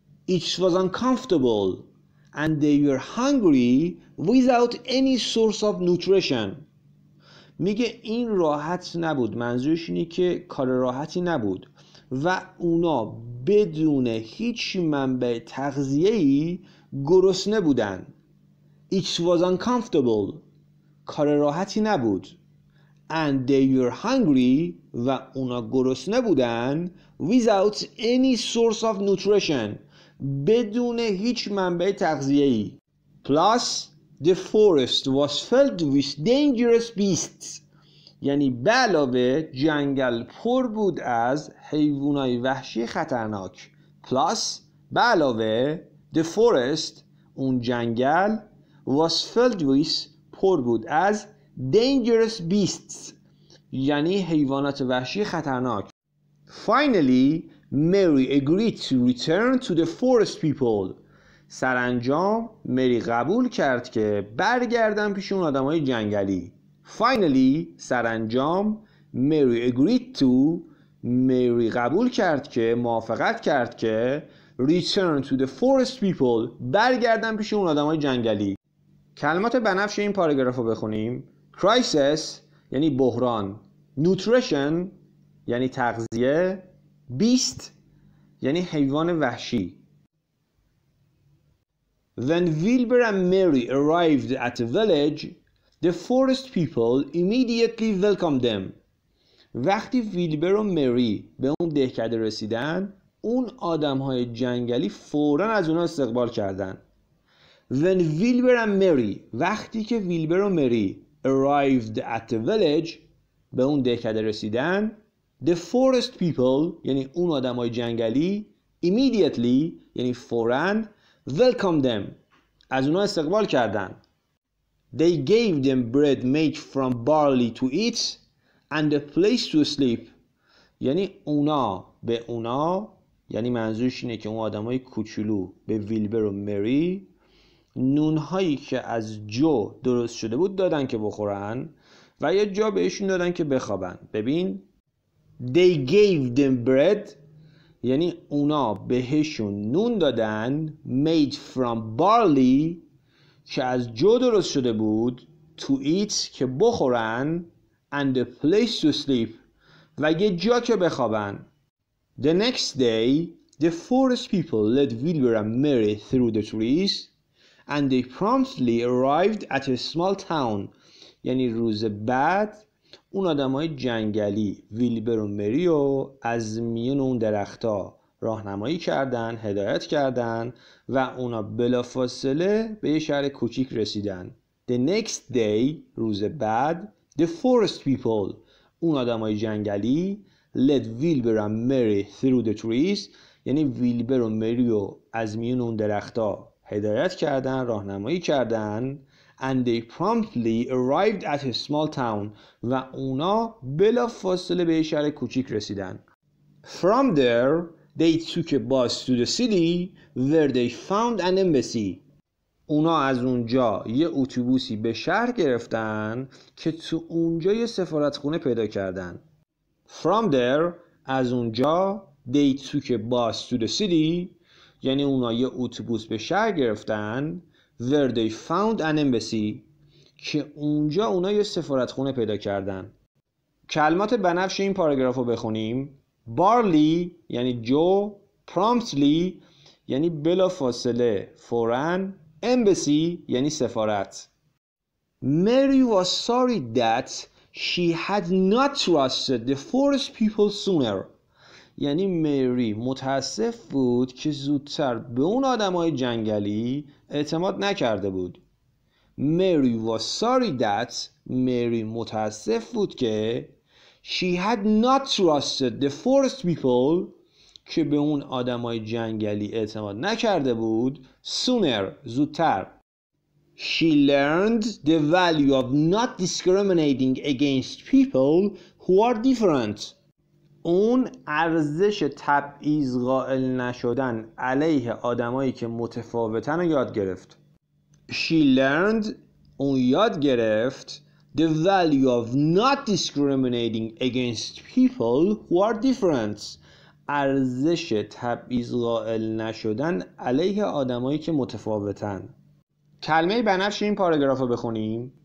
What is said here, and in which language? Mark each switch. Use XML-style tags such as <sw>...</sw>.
<en>It was uncomfortable and they were hungry without any source of nutrition.</en> <fa>میگه این راحت نبود. منظورش اینه که کار راحتی نبود و اونا بدون هیچ منبع تغذیه‌ای گرسنه بودن.</fa> <en>It was uncomfortable.</en> <fa>کار راحتی نبود.</fa> <en>And they were hungry.</en> <fa>و اونا گرسنه بودن.</fa> <en>Without any source of nutrition.</en> <fa>بدون هیچ منبع تغذیه‌ای.</fa> <en>Plus, the forest was filled with dangerous beasts.</en> <fa>یعنی به علاوه جنگل پر بود از حیوانای وحشی خطرناک.</fa> <en>Plus,</en> <fa>به علاوه</fa> <en>the forest,</en> <fa>اون جنگل</fa> <en>was filled with,</en> <fa>پر بود از</fa> <en>dangerous beasts.</en> <fa>یعنی حیوانات وحشی خطرناک.</fa> <en>Finally, Mary agreed to return to the forest people.</en> <fa>سرانجام مری قبول کرد که برگردن پیش اون آدم های جنگلی.</fa> <en>Finally,</en> <fa>سرانجام</fa> <en>Mary agreed to,</en> <fa>مری قبول کرد که موافقت کرد که</fa> <en>return to the forest people,</en> <fa>برگردن پیش اون آدم های جنگلی. کلمات بنفش این پاراگراف رو بخونیم. Crisis یعنی بحران. Nutrition یعنی تغذیه. Beast یعنی حیوان وحشی.</fa> <en>When Wilbur and Mary arrived at the village, the forest people immediately welcomed them.</en> <fa>وقتی ویلبر و مری به اون دهکده رسیدن، اون آدم‌های جنگلی فوراً از اونا استقبال کردن.</fa> <en>When Wilbur and Mary،</en> <fa>وقتی که ویلبر و مری</fa> <en>arrived at the village،</en> <fa>به اون دهکده رسیدن،</fa> <en>the forest people،</en> <fa>یعنی اون آدم‌های جنگلی،</fa> <en>immediately،</en> <fa>یعنی فوراً،</fa> <en>welcome them،</en> <fa>از اونا استقبال کردن.</fa> <en>They gave them bread made from barley to eat and a place to sleep.</en> <fa>یعنی اونا به اونا، یعنی منظورش اینه که اون آدم های کوچولو به ویلبر و مری، نونهایی که از جو درست شده بود دادن که بخورن و یه جا بهشون دادن که بخوابن. ببین،</fa> <en>They gave them bread،</en> <fa>یعنی اونا بهشون نون دادن</fa> <en>made from barley</en> <fa>که از جو درست شده بود،</fa> <en>to eat</en> <fa>که بخورن،</fa> <en>and a place to sleep</en> <fa>و یه جا که بخوابن.</fa> <en>The next day the forest people led Wilbur and Mary through the trees and they promptly arrived at a small town.</en> <fa>یعنی روز بعد اون آدم های جنگلی ویلبر و مری رو از میون اون درخت ها راهنمایی کردن، هدایت کردن و اونا بلافاصله به یه شهر کوچیک رسیدن.</fa> <en>The next day،</en> <fa>روز بعد،</fa> <en>the forest people،</en> <fa>اون آدم های جنگلی،</fa> <en>led Wilbur and Mary through the trees،</en> <fa>یعنی ویلبر و مری رو از میون اون درخت ها هدایت کردن، راهنمایی کردن،</fa> <en>and they promptly arrived at a small town،</en> <fa>و اونا بلا فاصله به شهر کوچیک رسیدن.</fa> <en>From there they took a bus to the city where they found an embassy.</en> <fa>اونا از اونجا یه اتوبوسی به شهر گرفتن که تو اونجا یه سفارتخونه پیدا کردن.</fa> <en>From there،</en> <fa>از اونجا،</fa> <en>they took a bus to the city،</en> <fa>یعنی اونا یه اتوبوس به شهر گرفتن،</fa> <en>where they found an embassy،</en> <fa>که اونجا اونا یه سفارتخونه پیدا کردن. کلمات بنفش این پاراگراف رو بخونیم. Barley یعنی جو، promptly یعنی بلا فاصله، فوراً، embassy یعنی سفارت.</fa> <en>Mary was sorry that she had not trusted the forest people sooner.</en> <fa>یعنی مری متاسف بود که زودتر به اون آدم های جنگلی اعتماد نکرده بود.</fa> <en>Mary was sorry that،</en> <fa>مری متاسف بود که،</fa> <en>she had not trusted the forest people،</en> <fa>که به اون آدم های جنگلی اعتماد نکرده بود،</fa> <en>sooner،</en> <fa>زودتر.</fa> <en>She learned the value of not discriminating against people who are different.</en> <fa>اون ارزش تبعیض قائل نشدن علیه آدمایی که متفاوتن رو یاد گرفت.</fa> <en>She learned،</en> <fa>اون یاد گرفت،</fa> <en>the value of not discriminating against people who are different.</en> <fa>ارزش تبعیض قائل نشدن علیه آدمایی که متفاوتن. کلمه بنفش این پاراگراف رو بخونیم.</fa>